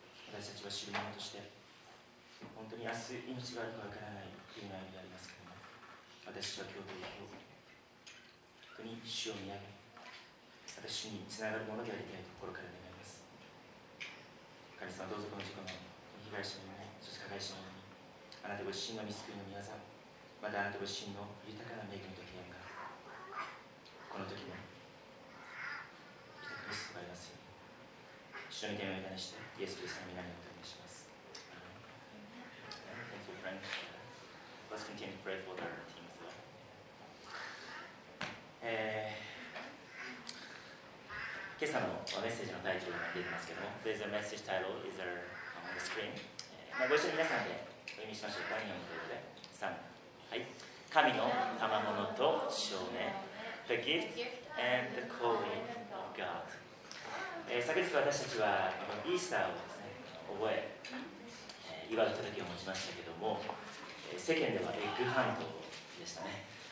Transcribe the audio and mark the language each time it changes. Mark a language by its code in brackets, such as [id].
[ja] 私たちは知るものとして、本当に明日命があるかわからない国内でありますけれども、私たちは今日という希望、 主を見上げ、私に繋がるものでありたいと心から願います。神様、どうぞこの事故の被害者のように、そして加害者のように、あなたの恵みが豊かに。たご自身の御救いの御業、またあなたご自身の豊かな恵みと平安がこの時も豊かに救われますように、主の御手を委ねしてイエス・キリストの御名にお祈りします。 [en] Thank you, friend. Let's continue to pray for our team as well. There's a message title is there on the screen. [ja] ご一緒に皆さんでお読みしましょう。第4のところで3、はい、神の賜物と証明、 [en] The gift and the calling of God. [ja] 昨日私たちはイースターをですね、覚え祝うときを持ちましたけども、世間ではエッグハントでしたね。